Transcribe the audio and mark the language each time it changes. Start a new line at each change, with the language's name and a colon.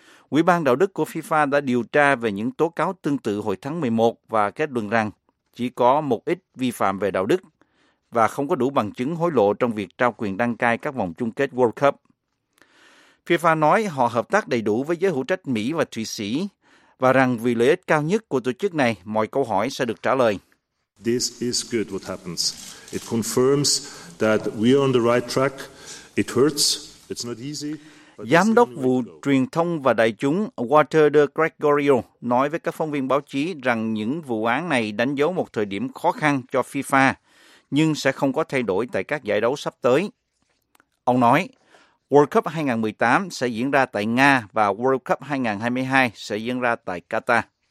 Vietnamese: Ủy ban đạo đức của FIFA đã điều tra về những tố cáo tương tự hồi tháng 11 và kết luận rằng chỉ có một ít vi phạm về đạo đức và không có đủ bằng chứng hối lộ trong việc trao quyền đăng cai các vòng chung kết World Cup. FIFA nói họ hợp tác đầy đủ với giới hữu trách Mỹ và Thụy Sĩ và rằng vì lợi ích cao nhất của tổ chức này, mọi câu hỏi sẽ được trả lời.
English: This is good what happens. It confirms that we are on the right track. It hurts. It's not easy.
Vietnamese: Giám đốc vụ truyền thông và đại chúng Walter de Gregorio nói với các phóng viên báo chí rằng những vụ án này đánh dấu một thời điểm khó khăn cho FIFA, nhưng sẽ không có thay đổi tại các giải đấu sắp tới. Ông nói, World Cup 2018 sẽ diễn ra tại Nga và World Cup 2022 sẽ diễn ra tại Qatar.